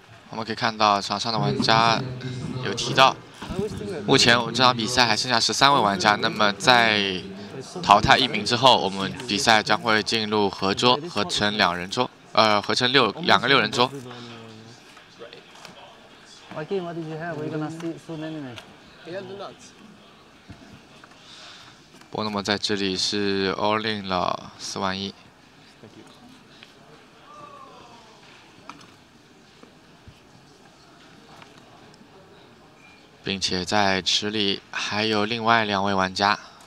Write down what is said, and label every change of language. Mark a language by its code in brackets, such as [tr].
[zh] 我们可以看到场上的玩家有提到，目前我们这场比赛还剩下13位玩家，那么在淘汰一名之后，我们比赛将会进入合桌，合成两人桌，合成两个六人桌。 [en] Joaquin, what did you have? We're gonna see soon anyway. He had the nuts. [zh] 波诺莫在这里是 all in 了41000。并且在池里还有另外两位玩家。